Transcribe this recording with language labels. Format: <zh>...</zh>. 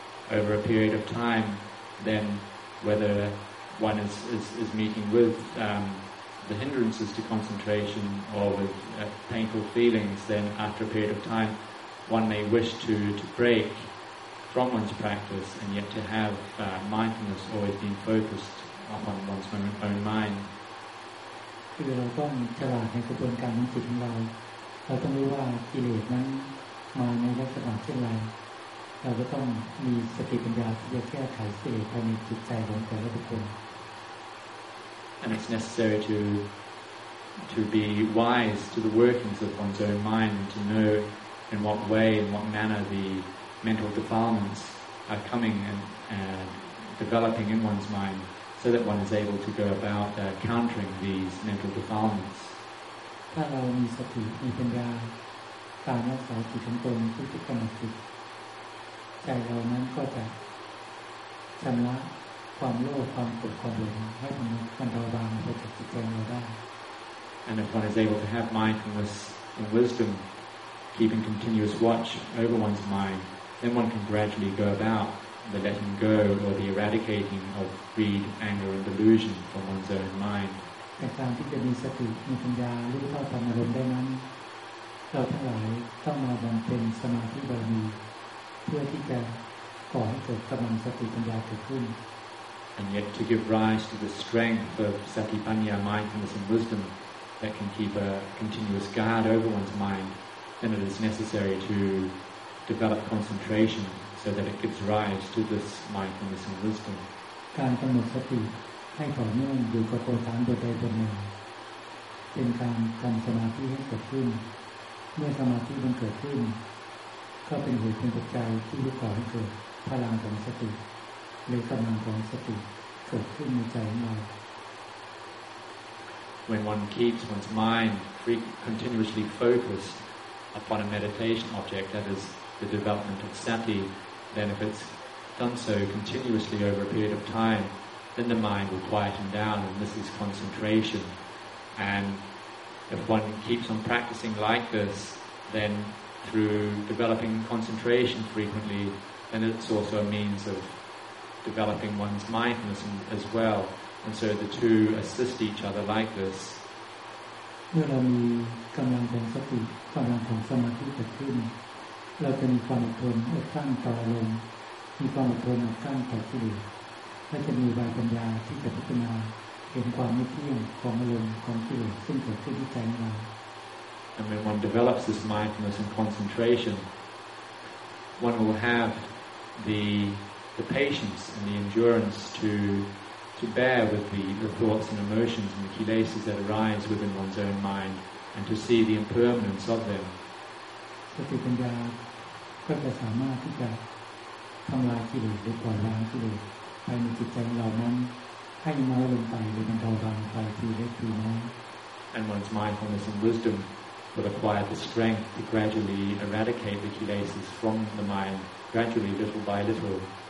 <en>over a period of time, then whether one is meeting with the hindrances to concentration or with painful feelings, then after a period of time, one may wish to break from one's practice and yet to have mindfulness always being focused upon one's own mind.</en> <th>คือเราต้องฉลาดในกระบวนการของจิตของเราเราต้องรู้ว่ากิเลสนั้นมาในลักษณะเช่นไรเราก็ต้องมีสติปัญญาที่จะแก้ไขกิเลสภายในจิตใจของแต่ละบุคคล</th> <en>and it's necessary to be wise to the workings of one's own mind to know in what way in what manner the mental defilements are coming and developing in one's mindso that one is able to go about countering these mental defilements.</en> <th>ถ้าเรามีสติมีปัญญาการรักษาจิตของตนที่ถูกกำหนดใจเรานั้นก็จะชำระความโลภความโกรธความหลงให้มันเบาบางไปจากจิตใจเราได้</th> <en>And if one is able to have mindfulness and wisdom, keeping continuous watch over one's mind, then one can gradually go aboutthe letting go or the eradicating of greed, anger, and delusion from one's own mind.</en> <th>แต่การที่จะมีสติมีปัญญารู้เท่าทันอารมณ์ได้นั้นเราทั้งหลายต้องมาบำเพ็ญสมาธิบารมีเพื่อที่จะก่อให้เกิดกำลังสติปัญญาเกิดขึ้น</th> <en>And yet to give rise to the strength of satipanya mindfulness and wisdom that can keep a continuous guard over one's mind, then it is necessary to develop concentration. So that it gives rise to this mindfulness and wisdom.</en> <th>การกำหนดสติให้ต่อเนื่องอยู่กับโพธิสารโดยใจเป็นหนึ่งเป็นการทำสมาธิให้เกิดขึ้นเมื่อสมาธิมันเกิดขึ้นก็เป็นเหตุเป็นปัจจัยที่ลูกขอให้เกิดพลังของสติหรือกำลังของสติเกิดขึ้นในใจของเรา</th> <en>When one keeps one's mind continuously focused upon a meditation object, that isthe development of sati, then if it's done so continuously over a period of time, then the mind will quieten down, and this is concentration. And if one keeps on practicing like this, then through developing concentration frequently, then it's also a means of developing one's mindfulness as well. And so the two assist each other like this. When we have the strength of sati, the strength of samadhi is increased.</en> <th>เราจะมีความอดทนอดกลั้นต่ออารมณ์มีความอดทนอดกลั้นต่อกิเลสและจะมีวาจาปัญญาที่จะพัฒนาเห็นความไม่เที่ยงของอารมณ์ของกิเลสซึ่งเกิดขึ้นที่ใจเรา</th> <en>And when one develops this mindfulness and concentration, one will have the patience and the endurance to bear with the thoughts and emotions and the kilesas that arise within one's own mind, and to see the impermanence of them.</en> <th>สติปัญญาก็จะสามารถที่จะทำลายกิเลสหรือปล่อยวางกิเลสภายในจิตใจเรานั้นให้น้อยลงไปหรือบรรเทาบางไปทีเล็กทีน้อย</th> <en>And one's mindfulness and wisdom will acquire the strength to gradually eradicate the kilesas from the mind gradually little by little</en>